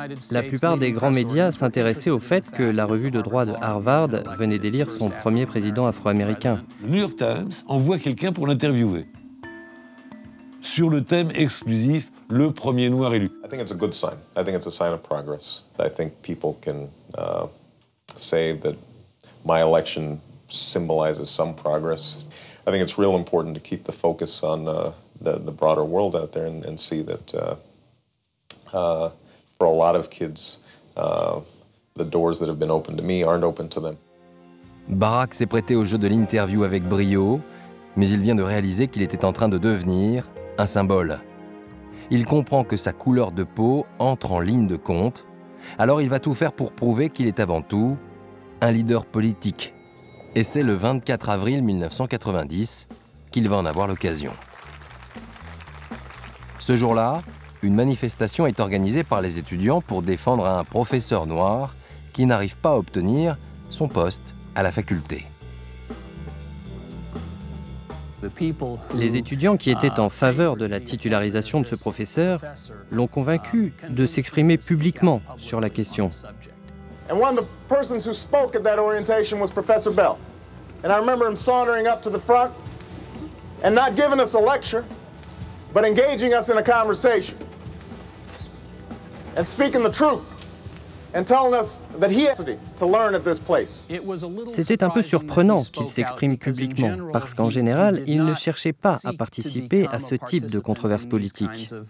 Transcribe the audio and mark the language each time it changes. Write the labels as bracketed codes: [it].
[fr] La plupart des grands médias s'intéressaient au fait que la revue de droit de Harvard venait d'élire son premier président afro-américain. Le New York Times envoie quelqu'un pour l'interviewer sur le thème exclusif « Le premier noir élu ». [en] I think it's a good sign. I think it's a sign of progress. I think people can say that my election symbolizes some progress. I think it's real important to keep the focus on the broader world out there and see that for a lot of kids, the doors that have been opened to me aren't open to them. [fr] Barack s'est prêté au jeu de l'interview avec brio, mais il vient de réaliser qu'il était en train de devenir un symbole. Il comprend que sa couleur de peau entre en ligne de compte, alors il va tout faire pour prouver qu'il est avant tout un leader politique. Et c'est le 24 avril 1990 qu'il va en avoir l'occasion. Ce jour-là, une manifestation est organisée par les étudiants pour défendre un professeur noir qui n'arrive pas à obtenir son poste à la faculté. Les étudiants qui étaient en faveur de la titularisation de ce professeur l'ont convaincu de s'exprimer publiquement sur la question. [en] And one of the persons who spoke at that orientation was Professor Bell. And I remember him sauntering up to the front and not giving us a lecture, but engaging us in a conversation. And speaking the truth and telling us that he had to learn at this place. [fr] C'était un peu surprenant qu'il s'exprime publiquement, parce qu'en général, il ne cherchait pas à participer à ce type de controverse politique.